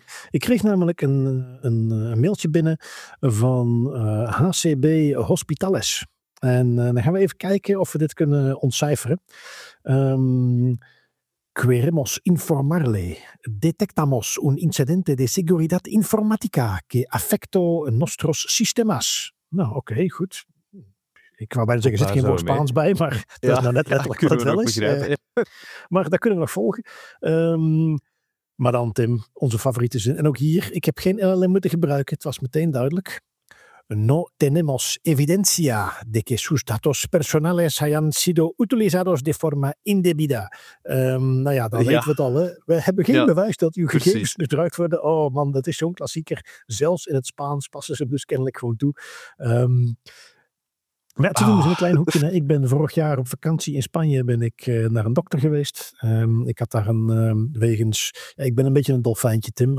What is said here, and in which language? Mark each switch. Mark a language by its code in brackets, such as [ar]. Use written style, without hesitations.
[nl] Ik kreeg namelijk een mailtje binnen van HCB Hospitales. En dan gaan we even kijken of we dit kunnen ontcijferen. [es] Queremos informarle. Detectamos un incidente de seguridad informática que afectó nuestros sistemas. [nl] Nou, oké, okay, goed. Ik wou bijna zeggen, er zit geen woord Spaans bij, maar dat is nou net letterlijk wat het wel is. Maar dat kunnen we nog volgen. Maar dan, Tim, onze favoriete zin. En ook hier, ik heb geen LLM moeten gebruiken, het was meteen duidelijk. [es] No tenemos evidencia de que sus datos personales hayan sido utilizados de forma indebida. [nl] Weten we het al, hè? We hebben geen bewijs dat uw gegevens misbruikt worden. Oh man, dat is zo'n klassieker. Zelfs in het Spaans passen ze dus kennelijk gewoon toe. Maar ze doen dus een klein hoekje. Hè. Ik ben vorig jaar op vakantie in Spanje naar een dokter geweest. Ik had daar ik ben een beetje een dolfijntje, Tim.